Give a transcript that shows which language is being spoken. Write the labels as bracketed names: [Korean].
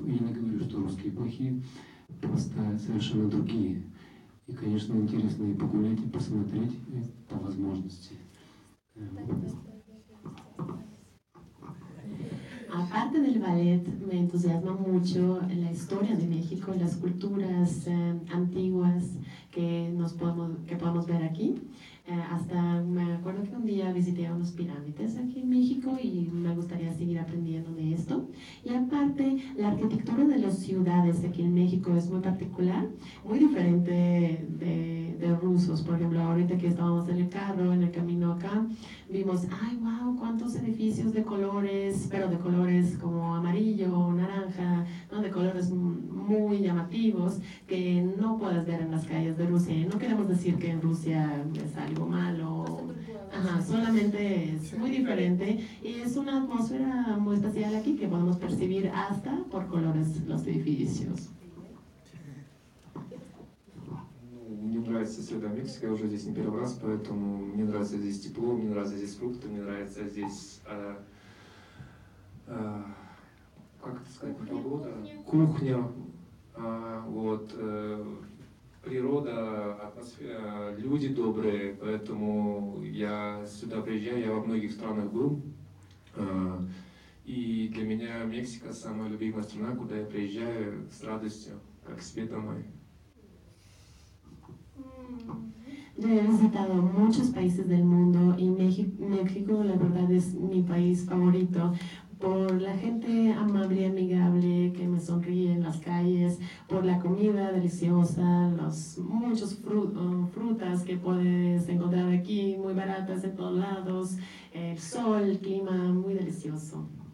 [Russian] Я не говорю, что русские плохие, просто совершенно другие. И, конечно, интересно и погулять, и посмотреть по возможности. [Spanish] Aparte del ballet, me entusiasma mucho la historia de México, las culturas antiguas que podemos ver aquí. Hasta me acuerdo que un día visité unos pirámides aquí en México y me gustaría seguir aprendiendo de esto. Y aparte, la arquitectura de las ciudades aquí en México es muy particular, muy diferente de rusos. Por ejemplo, ahorita que estábamos en el carro, en el camino acá, vimos, ¡ay, wow! Cuántos edificios de colores, pero de colores como amarillo, naranja, ¿no? De colores muy llamativos que no puedes ver en las calles de Rusia. No queremos decir que en Rusia es algo malo, ajá, solamente es muy diferente y es una atmósfera muy especial aquí que podemos percibir hasta por colores los edificios. [Russian] Мне нравится среда Мексики, я уже здесь не первый раз, поэтому мне нравится здесь тепло, мне нравятся здесь фрукты, мне нравится здесь, как это сказать, погода, кухня, вот, природа, атмосфера, люди добрые, поэтому я сюда приезжаю, я во многих странах был, и для меня Мексика самая любимая страна, куда я приезжаю с радостью, как к себе домой. [Spanish] Yo he visitado muchos países del mundo y México, la verdad, es mi país favorito por la gente amable y amigable que me sonríe en las calles, por la comida deliciosa, las muchas frutas que puedes encontrar aquí, muy baratas en todos lados, el sol, el clima, muy delicioso.